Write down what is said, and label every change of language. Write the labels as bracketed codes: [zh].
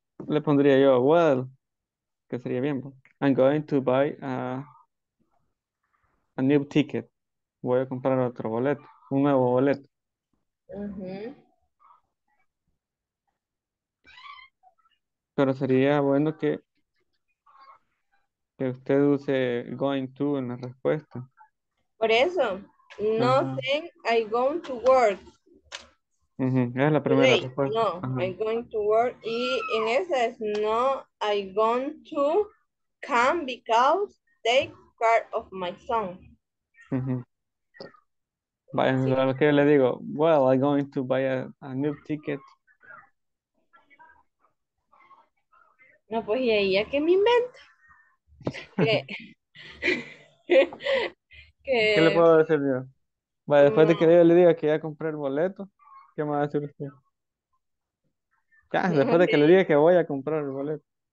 [es] Le pondría yo, [en] well, [es] que sería bien. [en] I'm going to buy a new ticket. [es] Voy a comprar otro boleto, un nuevo boleto. Uh-huh. Pero sería bueno que usted use going to en la respuesta. Por eso, [en] no saying I'm going to work. [es] Uh-huh. Es la primera respuesta. [en] No, I'm going to work. [es] Y en esa es no, [en] I'm going to come because take care of my son. [es] Mm-hmm. Sí. ¿Qué le digo? [en] Well, I'm going to buy a new ticket. [es] No, pues y ahí ya que me invento. ¿Qué le puedo decir yo? Vale, después no. De que yo le diga que ya compré el boleto, ¿qué me va a decir usted? Ya, después de que le diga que voy a comprar el boleto.